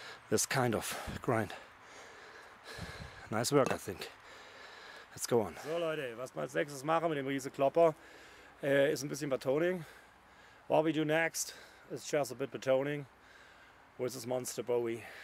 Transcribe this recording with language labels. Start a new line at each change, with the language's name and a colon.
English: This kind of grind. Nice work, I think. Let's
German: geworden. So Leute, was wir als nächstes machen mit dem riesen Klopper, ist ein bisschen Betoning.
English: What we do next is just a bit Betoning with this Monster Bowie.